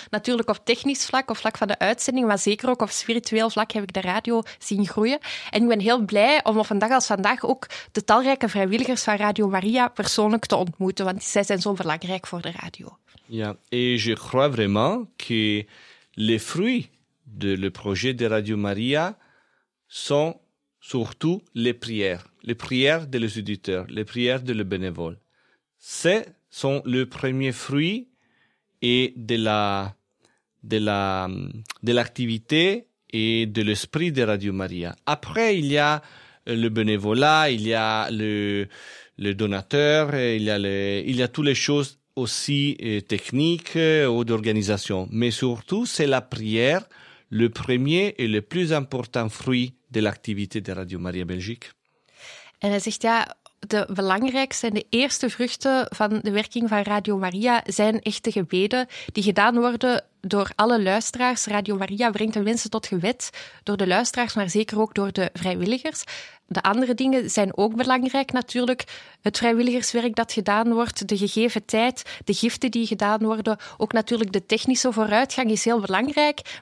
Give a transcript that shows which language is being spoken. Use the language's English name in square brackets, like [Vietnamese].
[Dutch] Natuurlijk op technisch vlak, op vlak van de uitzending, maar zeker ook op spiritueel vlak heb ik de radio zien groeien. En ik ben heel blij om op een dag als vandaag ook de talrijke vrijwilligers van Radio Maria persoonlijk te ontmoeten, want zij zijn zo belangrijk voor de radio. [French] Ja, et je crois vraiment que les fruits de le projet de Radio Maria sont surtout les prières de les auditeurs, les prières de les bénévoles. Ce sont les premiers fruits et de l'activité et de l'esprit de Radio Maria. Après, il y a le bénévolat, il y a le donateur, il y a toutes les choses aussi techniques ou d'organisation. Mais surtout, c'est la prière, le premier et le plus important fruit de l'activité de Radio Maria Belgique. Et il dit, [Dutch] de belangrijkste en de eerste vruchten van de werking van Radio Maria zijn echte gebeden die gedaan worden door alle luisteraars. Radio Maria brengt de mensen tot gebed door de luisteraars, maar zeker ook door de vrijwilligers. De andere dingen zijn ook belangrijk natuurlijk. Het vrijwilligerswerk dat gedaan wordt, de gegeven tijd, de giften die gedaan worden, ook natuurlijk de technische vooruitgang is heel belangrijk.